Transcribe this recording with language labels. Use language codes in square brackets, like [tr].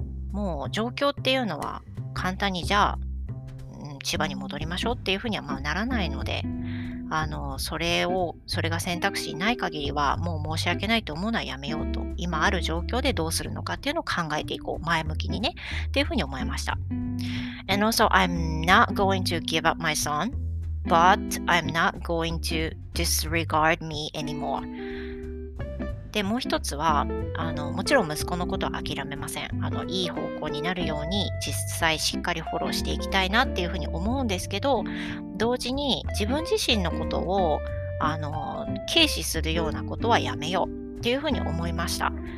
[ja] え、もう状況っていうのは簡単にじゃあ、千葉に戻りましょうっていうふうにはならないので、それが選択肢ない限りはもう申し訳ないと思うのはやめようと、今ある状況でどうするのかっていうのを考えていこう、前向きにねっていうふうに思いました。 [en] And also I'm not going to give up my son, but I'm not going to disregard me anymore。 [ja] で、もう一つは、もちろん息子のことは諦めません。いい方向になるように実際しっかりフォローしていきたいなっていうふうに思うんですけど、同時に自分自身のことを軽視するようなことはやめようっていうふうに思いました。